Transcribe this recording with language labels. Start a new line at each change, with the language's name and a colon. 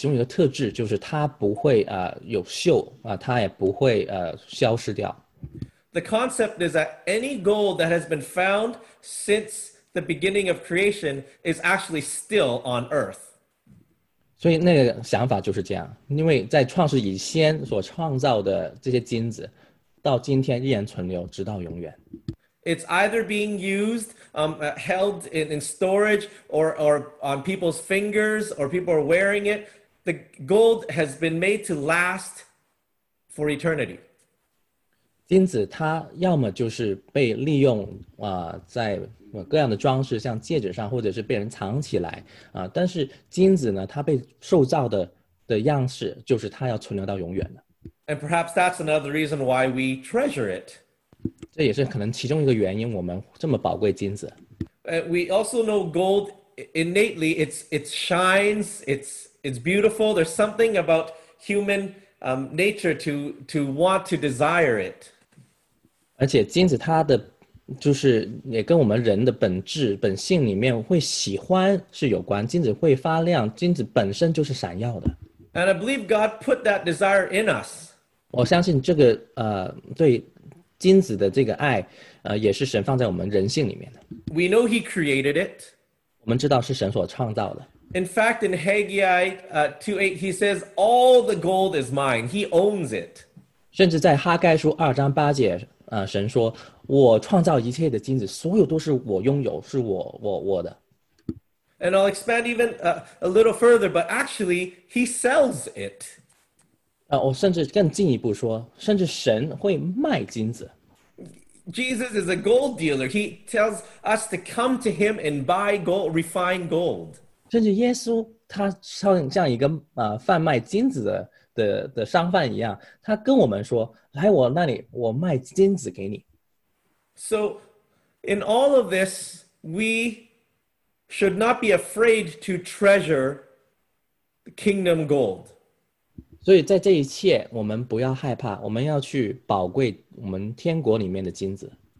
Chinese: 我们知道金子其中一个特质就是它不会, 有锈, 它也不会, 消失掉。
English: The concept is that any gold that has been found since the beginning of creation is actually still on earth.
Chinese: 所以那个想法就是这样, 因为在创世以先所创造的这些金子, 到今天依然存留, 直到永远。
English: It's either being used, held in storage, or on people's fingers, or people are wearing it. The gold has been made to last for eternity.
Chinese: 金子它要么就是被利用, 在各样的装饰, 像戒指上, 或者是被人藏起来, 但是金子呢, 它被塑造的, 的样式, 就是它要存留到永远的。
English: And perhaps that's another reason why we treasure it.
Chinese: 这也是可能其中一个原因我们这么宝贵金子。
English: We also know gold innately, it shines, it's beautiful. There's something about human nature to want to desire it.
Chinese: 而且金子它的, 就是也跟我们人的本质, 本性里面会喜欢是有关, 金子会发亮, 金子本身就是闪耀的。
English: And I believe God put that desire in us.
Chinese: 我相信这个, 对金子的这个爱, 也是神放在我们人性里面的。
English: We know he created it.
Chinese: 我们知道是神所创造的。
English: In fact, in Haggai 2:8, he says, all the gold is mine. He owns it.
Chinese: 甚至在哈该书2:8节, 神说, 我创造一切的金子, 所有都是我拥有, 是我的。
English: And I'll expand even a little further, but actually, he sells it.
Chinese: 我甚至更进一步说, 甚至神会卖金子。
English: Jesus is a gold dealer. He tells us to come to him and buy gold, refined gold.
Chinese: 甚至耶稣他像一个, 贩卖金子的商贩一样, 他跟我们说, 来我那里, 我卖金子给你。
English: So, in all of this, we should not be afraid to treasure the kingdom gold.
Chinese: 所以在这一切, 我们不要害怕, 我们要去宝贵我们天国里面的金子。